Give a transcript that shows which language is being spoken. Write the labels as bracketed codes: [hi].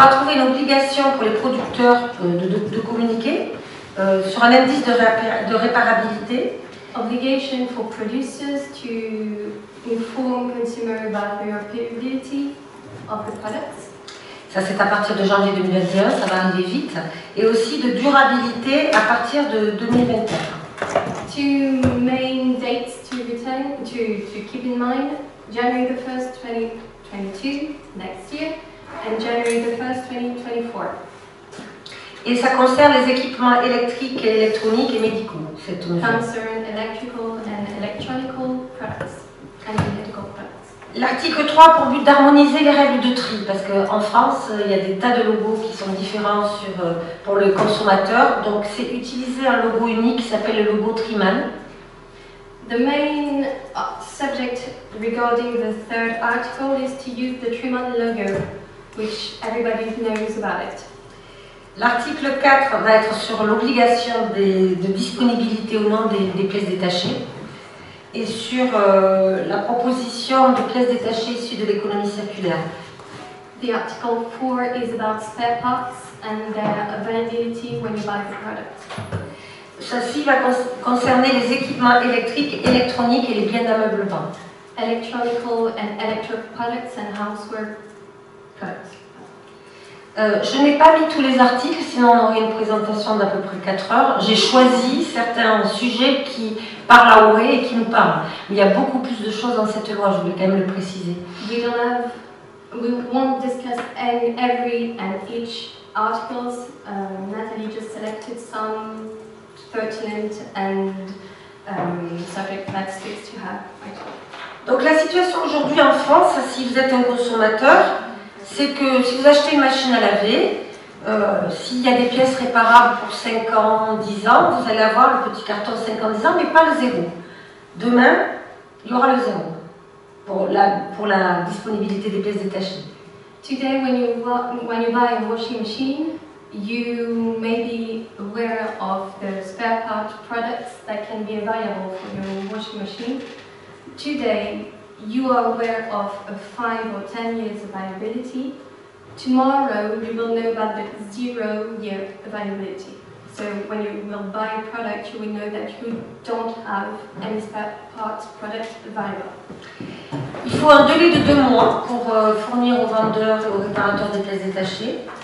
[fr] va trouver une obligation pour les producteurs de communiquer sur un indice de réparabilité. [en] Obligation for producers to inform consumers about the repairability of the products. [fr] Ça c'est à partir de janvier 2021, ça va arriver vite. Et aussi de durabilité à partir de 2021. [en] Two main dates to retain, to keep in mind, January the 1st, 2022, next year, and January the 1st, 2024. [fr] Et ça concerne les équipements électriques, électroniques et médicaux, cette mesure. [en] Concern electrical and electronic products and medical products. [fr] L'article 3 pour but d'harmoniser les règles de tri, parce qu'en France, il y a des tas de logos qui sont différents sur, pour le consommateur. Donc, c'est utiliser un logo unique qui s'appelle le logo Triman. [en] The main subject regarding the third article is to use the Triman logo, which everybody knows about it. [fr] L'article 4 va être sur l'obligation de disponibilité ou non des pièces détachées et sur la proposition de pièces détachées issues de l'économie circulaire. [en] The article 4 is about spare parts and their availability when you buy the product. [fr] Ceci va concerner les équipements électriques, électroniques et les biens d'ameublement. [en] Electrical and electric products and housework products. [fr] Je n'ai pas mis tous les articles, sinon on aurait une présentation d'à peu près 4 heures. J'ai choisi certains sujets qui parlent à Auré et qui nous parlent. Mais il y a beaucoup plus de choses dans cette loi, je voulais quand même le préciser. [en] We don't have, we won't discuss any, every and each articles. Nathalie just selected some pertinent and subject matter speaks to her. [fr] Donc la situation aujourd'hui en France, si vous êtes un consommateur, c'est que si vous achetez une machine à laver, s'il y a des pièces réparables pour 5 ans, 10 ans, vous allez avoir le petit carton 5 ans, 10 ans, mais pas le zéro. Demain, il y aura le zéro pour la disponibilité des pièces détachées. [en] Today, when you buy a washing machine, you may be aware of the spare part products that can be available for your washing machine. Today, you are aware of a 5 or 10 years availability. Tomorrow, you will know about the 0 year availability. So when you will buy a product, you will know that you don't have any spare parts product available. [fr] Il faut un délai de 2 mois pour fournir aux vendeurs et aux réparateurs des pièces détachées.